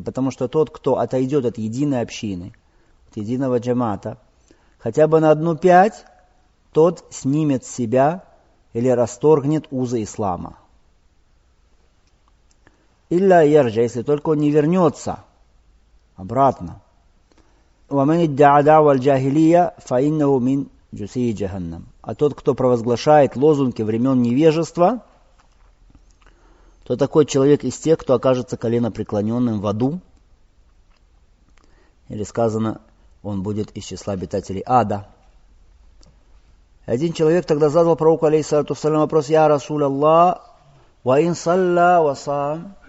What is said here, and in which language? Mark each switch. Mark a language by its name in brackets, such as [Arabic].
[Russian] Потому что тот, кто отойдет от единой общины, от единого джамаата, хотя бы на одну пять, тот снимет с себя или расторгнет узы ислама. إِلَّا يَرْجَ, если только он не вернется обратно. [Arabic] ومن ادعى دعوة الجاهلية فإنه من جثي جهنم. [Russian] А тот, кто провозглашает лозунги времен невежества, то такой человек из тех, кто окажется коленопреклоненным в аду. Или сказано, он будет из числа обитателей ада. Один человек тогда задал пророку, алейхиссалату вассалям, вопрос, [Arabic] «Я Расуль Аллах, ва ин салля ва сам».